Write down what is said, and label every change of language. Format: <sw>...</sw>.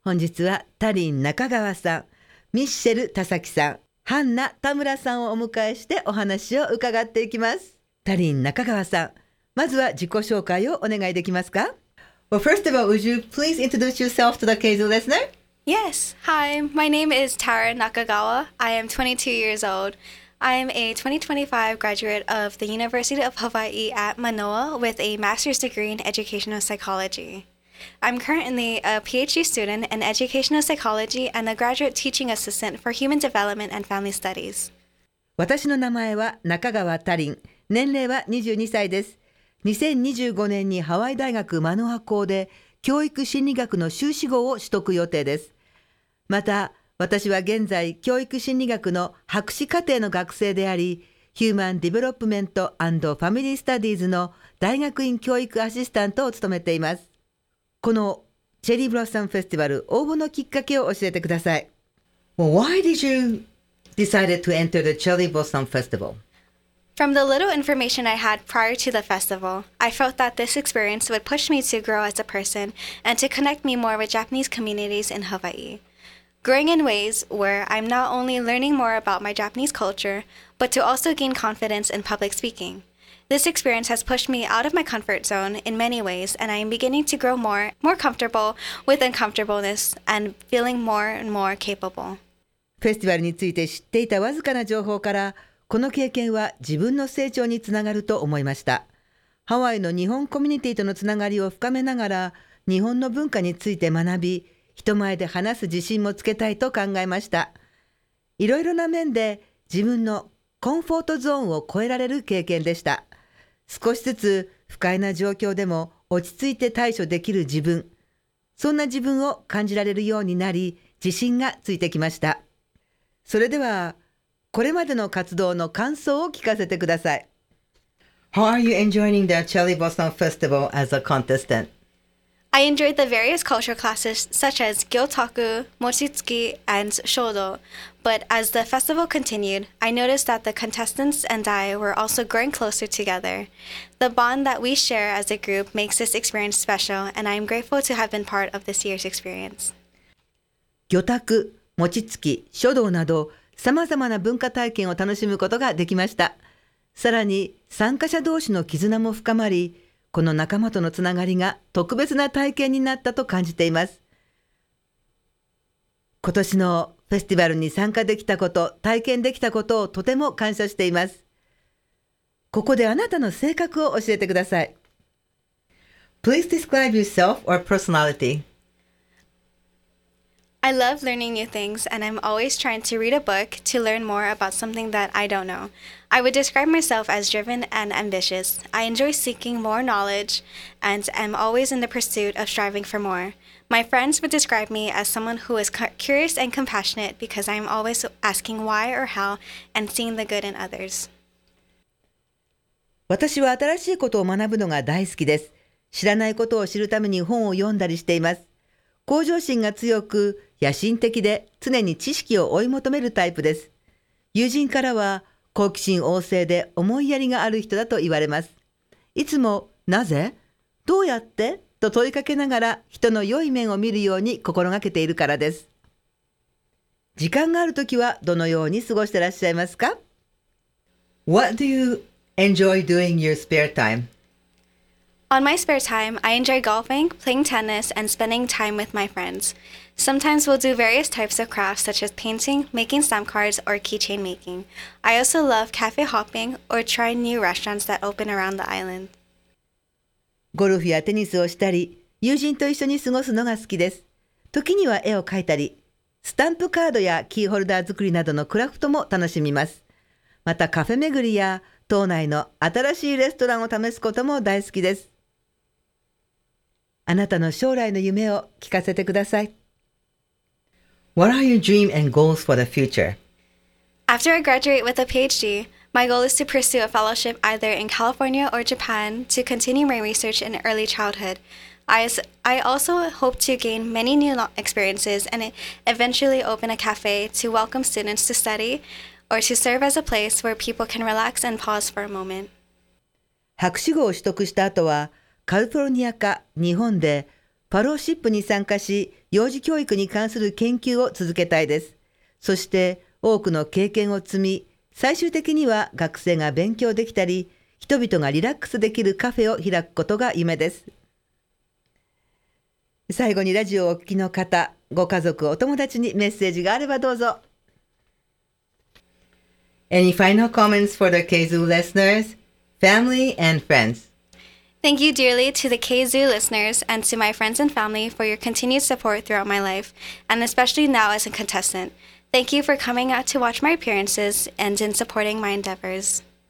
<ja>本日はタリン中川さん、ミッシェル田崎さん、ハンナ田村さんをお迎えしてお話を伺っていきます。タリン中川さん、まずは自己紹介をお願いできますか。</ja> <en>Well, first of all, would you please introduce yourself to the Keizo listener? Yes, hi, my name is Tara Nakagawa. I am 22 years old. I am a 2025 graduate of the University of Hawaii at Manoa with a master's degree in educational psychology. I'm currently a PhD student in educational psychology and a graduate teaching assistant for human development and family studies.</en> <ja>私の名前は中川タリン。年齢は22歳です。 2025年にハワイ大学マノア校で教育心理学の修士号を取得予定です。また、私は現在教育心理学の博士課程の学生であり、ヒューマンディベロップメント&ファミリースタディーズの大学院教育アシスタントを務めています。このチェリーブロッサムフェスティバル応募のきっかけを教えてください。</ja> <en>Well, why did you decide to enter the Cherry Blossom Festival? From the little information I had prior to the festival, I felt that this experience would push me to grow as a person and to connect me more with Japanese communities in Hawaii. Growing in ways where I'm not only learning more about my Japanese culture, but to also gain confidence in public speaking. This experience has pushed me out of my comfort zone in many ways, and I am beginning to grow more comfortable with uncomfortableness and feeling more and more capable.</en> <ja>フェスティバルについて知っていたわずかな情報からこの経験は自分の成長につながると思いました。ハワイの日本コミュニティとのつながりを深めながら、日本の文化について学び、人前で話す自信もつけたいと考えました。いろいろな面で自分のコンフォートゾーンを超えられる経験でした。少しずつ不快な状況でも落ち着いて対処できる自分、そんな自分を感じられるようになり、自信がついてきました。それでは、これまでの活動の感想を聞かせてください。</ja> <en>How are you enjoying the Cherry Blossom Festival as a contestant? I enjoyed the various cultural classes such as Gyotaku, Mochitsuki, and Shodo. But as the festival continued, I noticed that the contestants and I were also growing closer together. The bond that we share as a group makes this experience special, and I am grateful to have been part of this year's experience.</en> <ja>Gyotaku, Mochitsuki, Shodo など様々な文化体験を楽しむことができました。さらに参加者同士の絆も深まり、この仲間とのつながりが特別な体験になったと感じています。今年のフェスティバルに参加できたこと、体験できたことをとても感謝しています。ここであなたの性格を教えてください。</ja> <en>Please describe yourself or personality I love learning new things, and I'm always trying to read a book to learn more about something that I don't know. I would describe myself as driven and ambitious. I enjoy seeking more knowledge and am always in the pursuit of striving for more. My friends would describe me as someone who is curious and compassionate because I'm always asking why or how and seeing the good in others.</en> <ja>私は新しいことを学ぶのが大好きです。知らないことを知るために本を読んだりしています。向上心が強く、野心的で常に知識を追い求めるタイプです。友人からは好奇心旺盛で思いやりがある人だと言われます。いつもなぜ、どうやってと問いかけながら人の良い面を見るように心がけているからです。時間があるときはどのように過ごしてらっしゃいますか。</ja> <en>What do you enjoy doing your spare time? On my spare time, I enjoy golfing, playing tennis, and spending time with my friends. Sometimes we'll do various types of crafts such as painting, making stamp cards, or keychain making. I also love cafe hopping or try new restaurants that open around the island.</en> <ja>ゴルフやテニスをしたり、友人と一緒に過ごすのが好きです。時には絵を描いたり、スタンプカードやキーホルダー作りなどのクラフトも楽しみます。またカフェ巡りや島内の新しいレストランを試すことも大好きです。あなたの将来の夢を聞かせてください。</ja> <en>What are your dream and goals for the future? After I graduate with a PhD, my goal is to pursue a fellowship either in California or Japan to continue my research in early childhood. I also hope to gain many new experiences and eventually open a cafe to welcome students to study. Or to serve as a place where people can relax and pause for a moment.</en> <ja>博士号を取得した後は、カリフォルニアか日本でパローシップに参加し、幼児教育に関する研究を続けたいです。そして多くの経験を積み、最終的には学生が勉強できたり、人々がリラックスできるカフェを開くことが夢です。最後にラジオをお聞きの方、ご家族、お友達にメッセージがあればどうぞ。</ja> <en>Any final comments for the KZOO listeners, family and friends? Thank you dearly to the KZOO listeners and to my friends and family for your continued support throughout my life, and especially now as a contestant. Thank you for coming out to watch my appearances and in supporting my endeavors.</en>